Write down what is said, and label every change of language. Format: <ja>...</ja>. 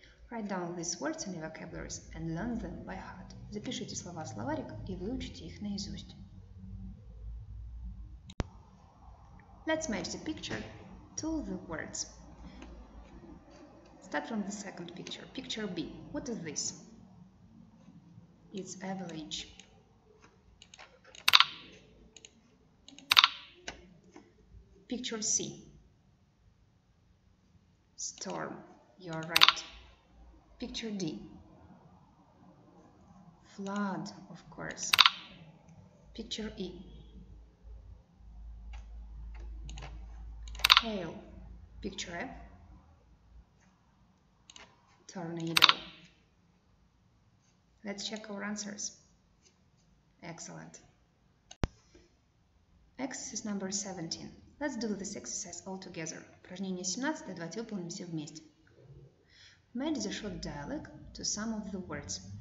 <en>Write down these words in your vocabularies and learn them by heart.</en> <ru>Запишите слова в словарик и выучите их наизусть.</ru> <en>Let's match the picture to the words. Start from the second picture. Picture B. What is this? It's avalanche. Picture C. Storm. You're right. Picture D. Flood, of course. Picture E. Hail. Picture F. Tornado. Let's check our answers. Excellent. Exercise number 17. Let's do this exercise all together.</en> <ru>Упражнение 17, давайте выполним все вместе.</ru> <en>Match the short dialogue to some of the words.</en>